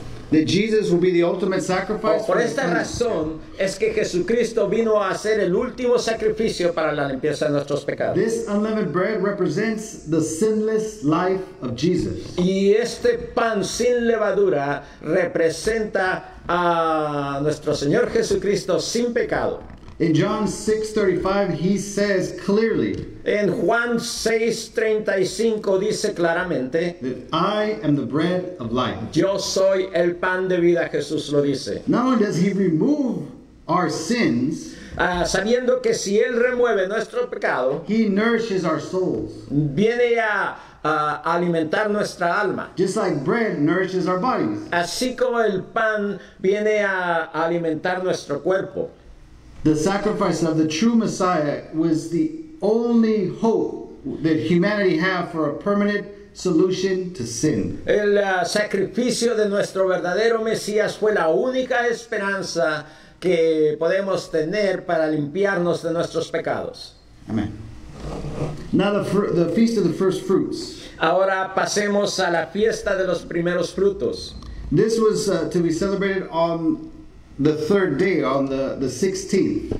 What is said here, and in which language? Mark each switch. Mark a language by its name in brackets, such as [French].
[English] That Jesus will be the ultimate sacrifice. [Spanish] Por esta razón es que Jesucristo vino a hacer el último sacrificio para la limpieza de nuestros pecados. [English] This unleavened bread represents the sinless life of Jesus. [Spanish] Y este pan sin levadura representa a nuestro Señor Jesucristo sin pecado. [English] In John 6:35, he says clearly. [Spanish] En Juan 6:35 dice claramente. [English] That I am the bread of life. [Spanish] Yo soy el pan de vida, Jesús lo dice. [English] Not only does he remove our sins. [Spanish] Sabiendo que si él remueve nuestro pecado. [English] He nourishes our souls. [Spanish] Viene a alimentar nuestra alma. [English] Just like bread nourishes our bodies. [Spanish] Así como el pan viene a alimentar nuestro cuerpo. [English] The sacrifice of the true Messiah was the only hope that humanity had for a permanent solution to sin. [Spanish] El sacrificio de nuestro verdadero Mesías fue la única esperanza que podemos tener para limpiarnos de nuestros pecados. Amen. [English] Now the feast of the first fruits. [Spanish] Ahora pasemos a la fiesta de los primeros frutos. [English] This was to be celebrated on the third day, on the 16th.